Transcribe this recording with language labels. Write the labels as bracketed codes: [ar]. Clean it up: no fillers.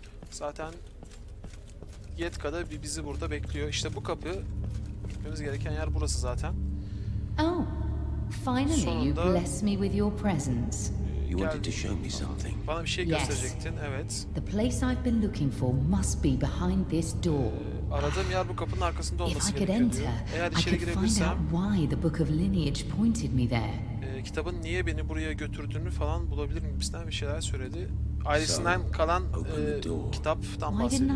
[tr] Zaten Yetka da bizi burada bekliyor. İşte bu kapı, gitmemiz gereken yer burası zaten. [en] Oh, finally you bless me with your presence. You wanted to show me something. [tr] Bana bir şey gösterecektin, evet. [en] The place I've been looking for must be behind this door. [tr] Aradığım yer bu kapının arkasında olması gerekiyor. Eğer içeri girebilsem, [en] I could find out why the Book of Lineage pointed me there. [tr] Kitabın niye beni buraya götürdüğünü falan bulabilir miyim? Bizden bir şeyler söyledi. Ailesinden kalan kitaptan bahsediyor.